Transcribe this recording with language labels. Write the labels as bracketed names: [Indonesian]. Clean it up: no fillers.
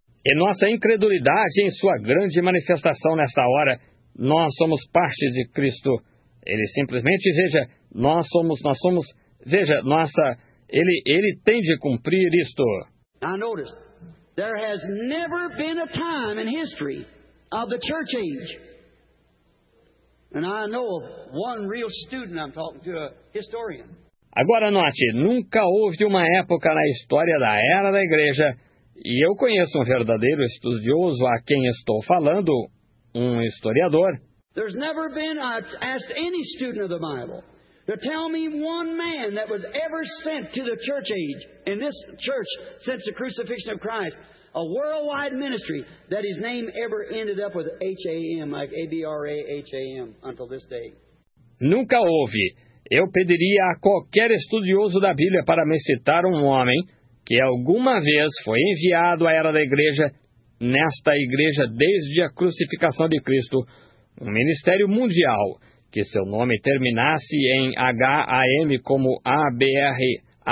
[Portuguese] E nossa incredulidade em sua grande manifestação nesta hora, nós somos parte de Cristo. Ele simplesmente, veja, nós somos veja, nossa, ele tem de cumprir isto. [English] Now notice, there has never been a time in history of the church age. And I know of one real student I'm talking to, a historian. [Portuguese] Agora note, nunca houve uma época na história da era da igreja, e eu conheço um verdadeiro estudioso a quem estou falando, um historiador. [English] There's never been asked any student of the Bible. to tell me one man that was ever sent to the church age in this church since the crucifixion of Christ, a worldwide ministry, that his name ever ended up with H-A-M, like A-B-R-A-H-A-M, until this day. [Portuguese] Nunca houve. Eu pediria a qualquer estudioso da Bíblia para me citar um homem que alguma vez foi enviado à era da igreja, nesta igreja desde a crucificação de Cristo, um ministério mundial, que seu nome terminasse em H-A-M como A-B-R-A-H-A-M.